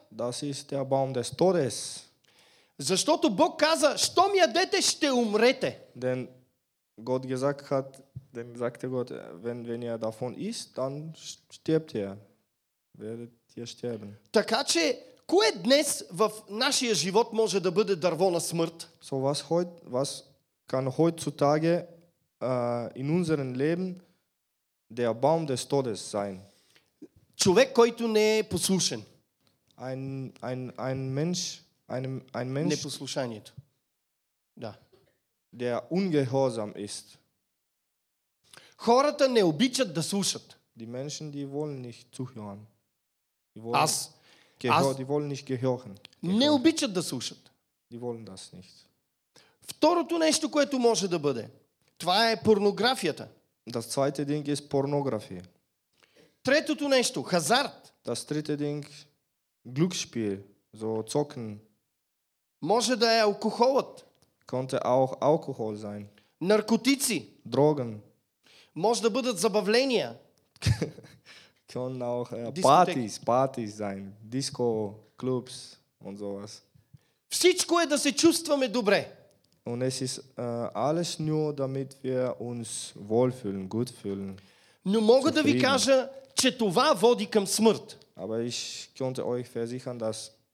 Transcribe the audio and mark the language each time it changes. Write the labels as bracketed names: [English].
[German] Das ist der Baum des Todes. [Bulgarian] Защото Бог каза, щом ядете, ще умрете. [German] Denn Gott gesagt hat, denn sagte Gott, wenn ihr davon isst, dann stirbt ihr. Werdet ihr sterben. [Bulgarian] Така че кое днес в нашия живот може да бъде дърво на смърт? [German] So was kann heutzutage in unserem Leben der Baum des Todes sein? [Bulgarian] Човек, който не е послушен. [German] Ein Mensch [Bulgarian] непослушанието. Да. [German] Der ungehorsam ist. [Bulgarian] Хората не обичат да слушат. [German] Die Menschen, die wollen nicht zuhören. Die wollen nicht gehören. [Bulgarian] Не обичат да слушат. [German] Die wollen das nicht. [Bulgarian] Второто нещо, което може да бъде, това е порнографията. [German] Das zweite Ding ist Pornografie. [Bulgarian] Третото нещо, хазарт. [German] Das dritte Ding, Glücksspiel, so zocken. [Bulgarian] Може да е алкохолът. [German] Könnte auch Alkohol sein. [Bulgarian] Наркотици. [German] Drogen. [Bulgarian] Може да бъдат забавления. [German] Können auch Partys sein, Disco, Clubs und sowas. [Bulgarian] Всичко е да се чувстваме добре. [German] Und es ist alles nur, damit wir uns wohlfühlen, gut fühlen. [Bulgarian] Но мога да ви кажа, че това води към смърт. [German] Aber ich könnte euch versichern, dass